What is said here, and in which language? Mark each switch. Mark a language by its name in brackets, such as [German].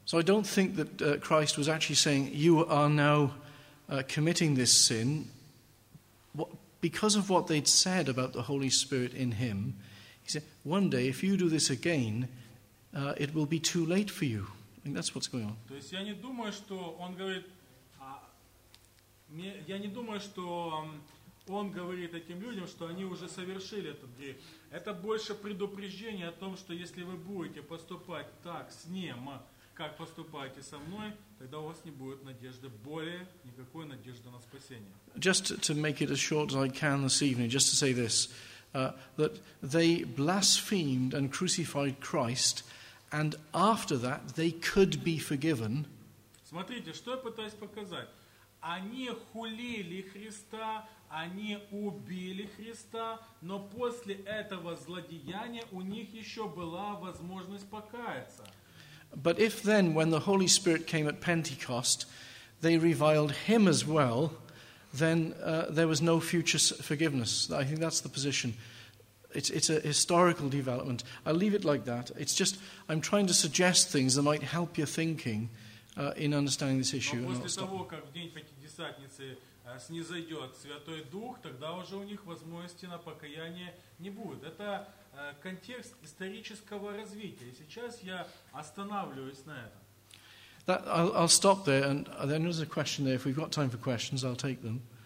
[English] So I don't think that Christ was actually saying, you are now committing this sin. Because of what they'd said about the Holy Spirit in him, he said, one day, if you do this again, it will be too late for you. I think that's what's going on. [Russian] То есть я не думаю, что он говорит, я не думаю, что он говорит этим людям, что они уже совершили этот грех. Это больше предупреждение о том, что если вы будете поступать так с ним, как поступаете со мной, тогда у вас не будет надежды, более никакой надежды на спасение. [English] Just to make it as short as I can this evening, just to say this, that they blasphemed and crucified Christ, and after that they could be forgiven. [Russian] Смотрите, что я пытаюсь показать. Они хулили Христа, они убили Христа, но после этого злодеяния у них еще была возможность покаяться. [English] But if then, when the Holy Spirit came at Pentecost, they reviled him as well, then there was no future forgiveness. I think that's the position. It's a historical development. I'll leave it like that. It's just, I'm trying to suggest things that might help your thinking in understanding this issue. [Russian] Но после того, как в день Пятидесятницы снизойдет Святой Дух, тогда уже у них возможности на покаяние не будет. Это контекст исторического развития. Сейчас я останавливаюсь на этом. [English] That, I'll stop there, and then there's a question there. If we've got time for questions, I'll take them.